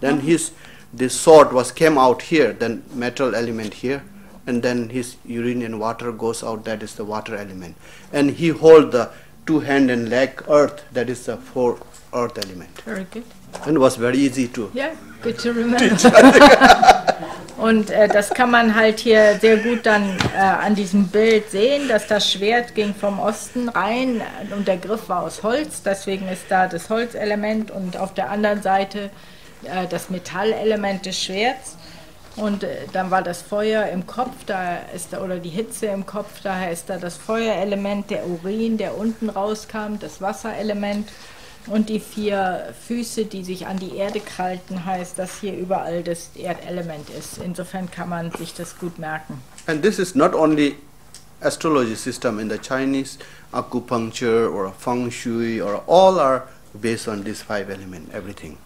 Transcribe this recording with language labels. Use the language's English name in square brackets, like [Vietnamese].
[English] Then mm. his the sword was came out here, then metal element here, and then his urine and water goes out, that is the water element. And he hold the two hand and leg earth, that is the four earth element. Very good. And it was very easy to... Yeah, good to remember. [German] Und das kann man halt hier sehr gut dann an diesem Bild sehen, dass das Schwert ging vom Osten rein und der Griff war aus Holz, deswegen ist da das Holzelement und auf der anderen Seite das Metallelement des Schwerts und dann war das Feuer im Kopf, da ist da, oder die Hitze im Kopf, daher ist da das Feuerelement, der Urin, der unten rauskam, das Wasserelement und die vier Füße, die sich an die Erde krallten, heißt, dass hier überall das Erdelement ist. Insofern kann man sich das gut merken. [English] And this is not only astrology system in the Chinese acupuncture or feng shui or all are based on these five elements, everything.